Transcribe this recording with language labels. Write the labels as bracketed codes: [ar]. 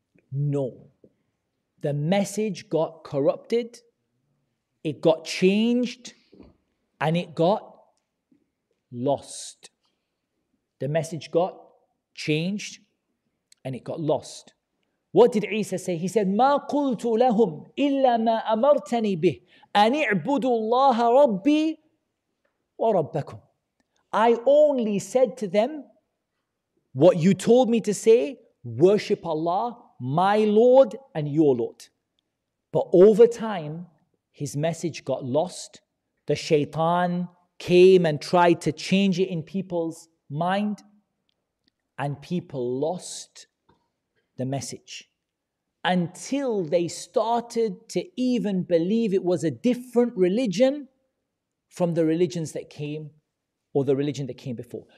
[en] No. The message got corrupted. It got changed. And it got lost. The message got changed and it got lost. What did Isa say? He said, [ar] مَا قُلْتُ لَهُمْ إِلَّا مَا أَمَرْتَنِي بِهِ أَنِ اعْبُدُوا اللَّهَ رَبِّي وَرَبَّكُمْ. [en] I only said to them what you told me to say, worship Allah, my Lord and your Lord. But over time, his message got lost. The shaitan came and tried to change it in people's mind, and people lost the message until they started to even believe it was a different religion from the religions that came, or the religion that came before.